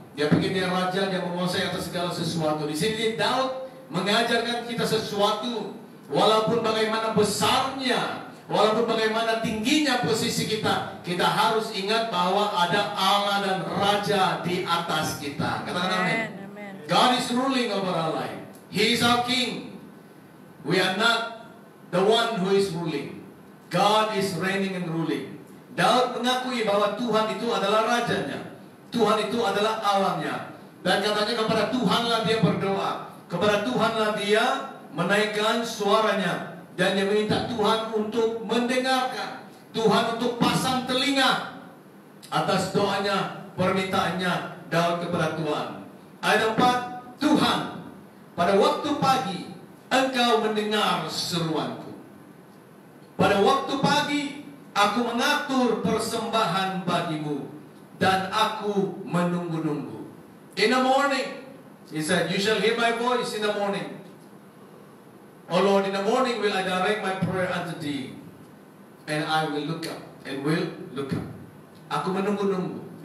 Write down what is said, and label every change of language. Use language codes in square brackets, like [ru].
[id] Dia pikir dia raja, dia menguasai atas segala sesuatu. Di sini Daud mengajarkan kita sesuatu. Walaupun bagaimana besarnya, walaupun bagaimana tingginya posisi kita, kita harus ingat bahwa ada Allah dan Raja di atas kita. Katakan amin. [en] God is ruling over our life. He is our king. We are not the one who is ruling. God is reigning and ruling. [id] Daud mengakui bahwa Tuhan itu adalah rajanya. Tuhan itu adalah Allahnya. Dan katanya kepada Tuhanlah dia berdoa. Kepada Tuhanlah dia menaikkan suaranya. Dan dia minta Tuhan untuk mendengarkan. Tuhan untuk pasang telinga atas doanya, permintaannya Daud kepada Tuhan. Ayat 4, Tuhan, pada waktu pagi Engkau mendengar seruanku. Pada waktu pagi aku mengatur persembahan bagimu, dan aku menunggu-nunggu. [en] In the morning, He said, you shall hear my voice in the morning. Oh Lord, in the morning will I direct my prayer unto Thee, and I will look up, and will look up. [id] Aku menunggu-nunggu.